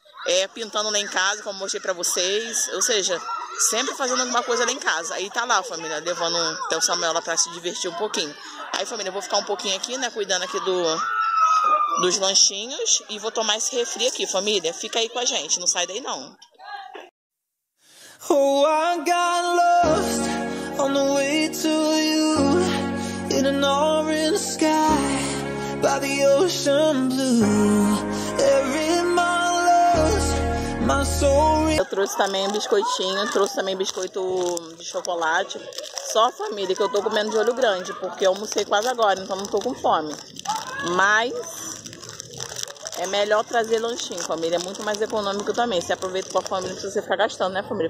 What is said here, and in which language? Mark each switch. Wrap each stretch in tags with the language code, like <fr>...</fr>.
<pt>É pintando lá em casa, como eu mostrei pra vocês, ou seja, sempre fazendo alguma coisa lá em casa. Aí tá lá, família, levando até o Samuel lá pra se divertir um pouquinho. Aí, família, eu vou ficar um pouquinho aqui, né, cuidando aqui dos lanchinhos e vou tomar esse refri aqui, família. Fica aí com a gente, não sai daí, não.</pt> <en>Oh, I got lost on the way to you. In an orange sky by the ocean blue. Every my love, my soul.</en> <pt>Eu trouxe também um biscoitinho, trouxe também biscoito de chocolate. Só a família, que eu tô comendo de olho grande, porque eu almocei quase agora, então não tô com fome. Mas é melhor trazer lanchinho, família. É muito mais econômico também. Você aproveita com a família se você ficar gastando, né, família?</pt>